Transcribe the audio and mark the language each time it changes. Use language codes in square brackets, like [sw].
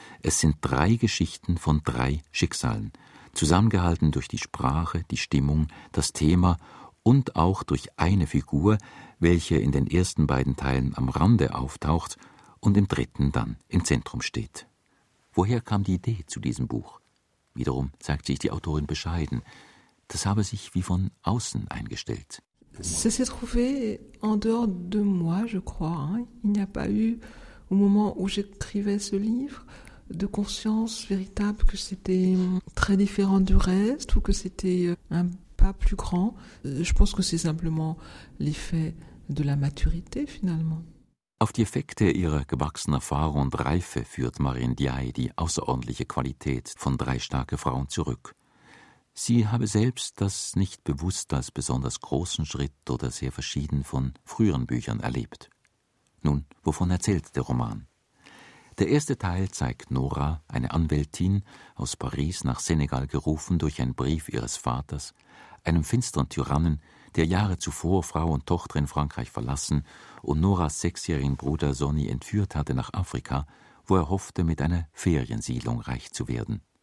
[de] Es sind drei Geschichten von drei Schicksalen, zusammengehalten durch die Sprache, die Stimmung, das Thema und auch durch eine Figur, welche in den ersten beiden Teilen am Rande auftaucht und im dritten dann im Zentrum steht. Woher kam die Idee zu diesem Buch? Wiederum zeigt sich die Autorin bescheiden. Das habe sich wie von außen eingestellt. [fr] Ça s'est trouvé en dehors de moi, je crois. Il n'y a pas eu, au moment où j'écrivais ce livre, de conscience véritable que c'était très différent du reste ou que c'était un pas plus grand. Je pense que c'est simplement l'effet de la maturité, finalement. [de] Auf die Effekte ihrer gewachsenen Erfahrung und Reife führt Marin Diay die außerordentliche Qualität von drei starke Frauen zurück. Sie habe selbst das nicht bewusst als besonders großen Schritt oder sehr verschieden von früheren Büchern erlebt. Nun, wovon erzählt der Roman? Der erste Teil zeigt Nora, eine Anwältin, aus Paris nach Senegal gerufen durch einen Brief ihres Vaters, einem finsteren Tyrannen, der Jahre zuvor Frau und Tochter in Frankreich verlassen und Noras sechsjährigen Bruder Sonny entführt hatte nach Afrika, wo er hoffte, mit einer Feriensiedlung reich zu werden.